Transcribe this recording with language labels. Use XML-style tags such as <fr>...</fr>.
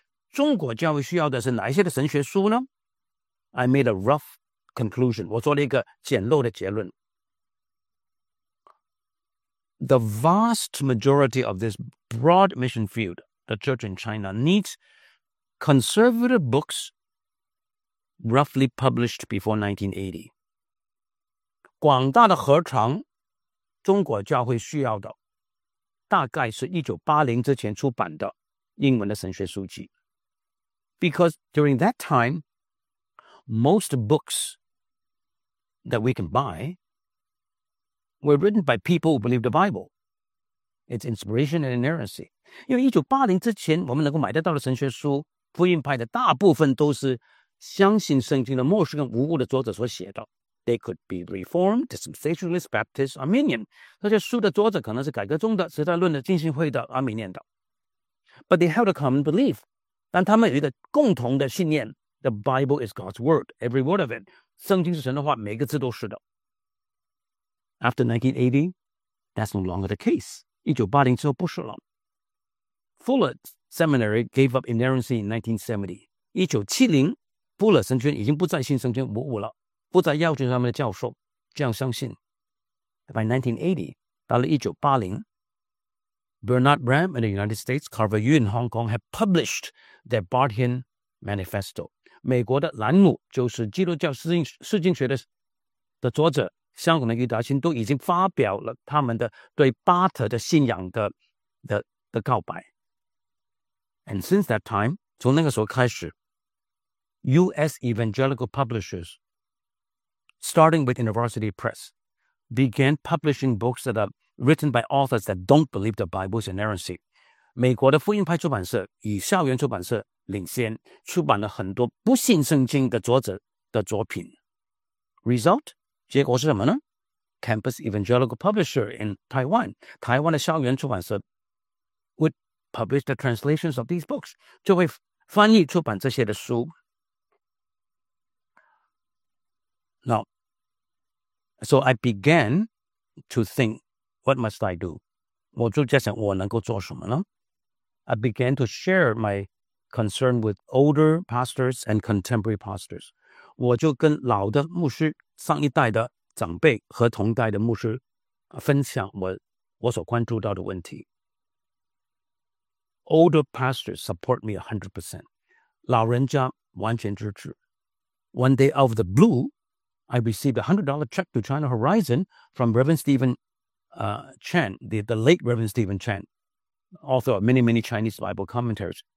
<zh>中国教会需要的是哪一些的神学书呢 ?</zh> <en>I made a rough conclusion,</en> <zh>我做了一个简陋的结论。</zh> <en>The vast majority of this broad mission field, the church in China, needs conservative books roughly published before 1980.</en> <zh>广大的合唱中国教会需要的大概是1980之前出版的英文的神学书籍。</zh> <en>Because during that time, most books that we can buy were written by people who believe the Bible. It's inspiration and inerrancy.</en> <zh>因为1980之前我们能够买得到的神学书福音派的大部分都是相信圣经的末世跟无误的作者所写的。</zh> <en>They could be Reformed, Dispensationalist, Baptist, Arminian.</en> <zh>这些书的作者可能是改革宗的、时代论的、浸信会的、阿米念的。</zh> <en>But they held a common belief.</en> <zh>但他们有一个共同的信念。</zh> <en>The Bible is God's word, every word of it.</en> <zh>圣经是神的话，每个字都是的。</zh> <en>After 1980, that's no longer the case.</en> <zh>1980之后不是了。</zh> <en>Fuller Seminary gave up inerrancy in 1970.</en> <zh>1970, Fuller 神学院已经不再信圣经无误了。不再要求他们的教授这样相信。</zh> <en>By 1980, 到了1980, Bernard Bram in the United States, Carver Yu in Hong Kong had published their Barthian Manifesto.</en> <zh>美国的兰姆就是基督教释经学 的作者香港的余达清都已经发表了他们的对巴特的信仰 的告白。</zh> <en>And since that time,</en> <zh>从那个时候开始</zh> <en>US Evangelical PublishersStarting with University Press, began publishing books that are written by authors that don't believe the Bible's inerrancy.</en> <zh>美国的福音派出版社以校园出版社领先，出版了很多不信圣经的作者的作品。</zh> <en>Result?</en> <zh>结果是什么呢？</zh> <en>Campus Evangelical Publisher in Taiwan,</en> <zh>台湾的校园出版社</zh> <en>would publish the translations of these books,</en> <zh>就会翻译出版这些的书。</zh> <en>Now, so I began to think, what must I do?</en> <zh>我就在想我能够做什么呢?</zh> <en>I began to share my concern with older pastors and contemporary pastors.</en> <zh>我就跟老的牧师、上一代的长辈和同代的牧师分享 我所关注到的问题。</zh> <en>Older pastors support me 100%.</en> <zh>老人家完全支持。</zh> <en>One day out of the blue,I received a $100 check to China Horizon from Reverend Stephen Chan, the late Reverend Stephen Chan, author of many, many Chinese Bible commentaries.</en>